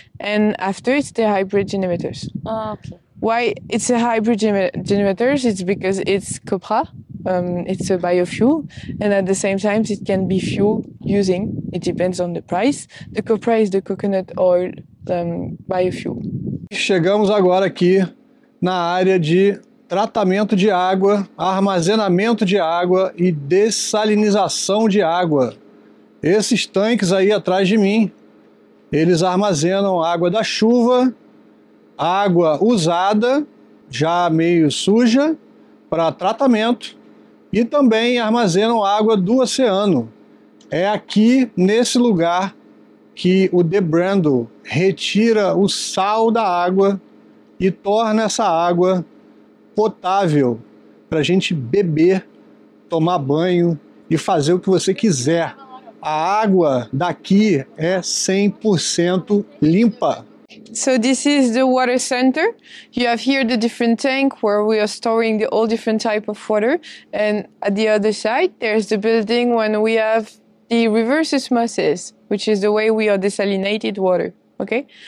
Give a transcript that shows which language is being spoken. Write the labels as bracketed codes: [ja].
[en] And after, it's the hybrid generators. Oh, okay. Why it's a hybrid generators? It's because it's copra. It's a biofuel, and at the same time, it can be fuel using, it depends on the price. The copra is the coconut oil biofuel. [pt] Chegamos agora aqui na área de tratamento de água, armazenamento de água e dessalinização de água. Esses tanques aí atrás de mim, eles armazenam água da chuva, água usada, já meio suja, para tratamento. E também armazenam água do oceano. É aqui, nesse lugar, que o The Brando retira o sal da água e torna essa água potável para a gente beber, tomar banho e fazer o que você quiser. A água daqui é 100% limpa. [en] So this is the water center. You have here the different tank where we are storing the all different type of water. And at the other side, there's the building when we have the reverse osmosis, which is the way we are desalinated water. Okay.